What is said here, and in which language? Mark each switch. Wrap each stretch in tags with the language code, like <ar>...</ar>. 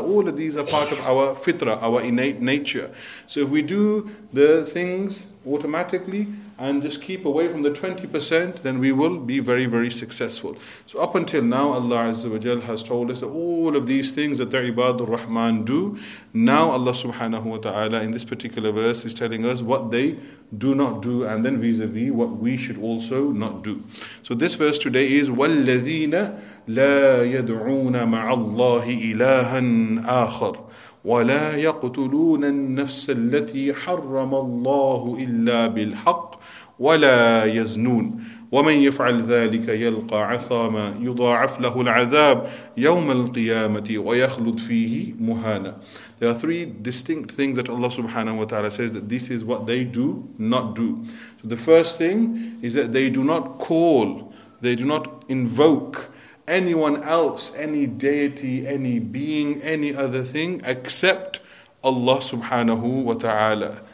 <en>All of these are part of our fitrah, our innate nature. So if we do the things automatically and just keep away from the 20%, then we will be very, very successful. So up until now, Allah Azza wa Jal has told us that all of these things that the Ibadur Rahman do, now Allah subhanahu wa ta'ala in this particular verse is telling us what they do not do, and then vis-a-vis what we should also not do. So this verse today is,</en> <ar>وَالَّذِينَ لَا يَدْعُونَ مَعَ اللَّهِ إِلَهًا آخَرٍ وَلَا يَقْتُلُونَ النَّفْسَ الَّتِي حَرَّمَ اللَّهُ إِلَّا بِالْحَقِّ وَلَا يَزْنُونَ وَمَنْ يَفْعَلْ ذَلِكَ يَلْقَى عَثَامًا يُضَاعَفْ لَهُ الْعَذَابُ يَوْمَ الْقِيَامَةِ وَيَخْلُدْ فِيهِ مُهَانًا.</ar> <en>There are three distinct things that Allah subhanahu wa ta'ala says that this is what they do not do. So the first thing is that they do not call, they do not invoke anyone else, any deity, any being, any other thing except Allah subhanahu wa ta'ala.</en>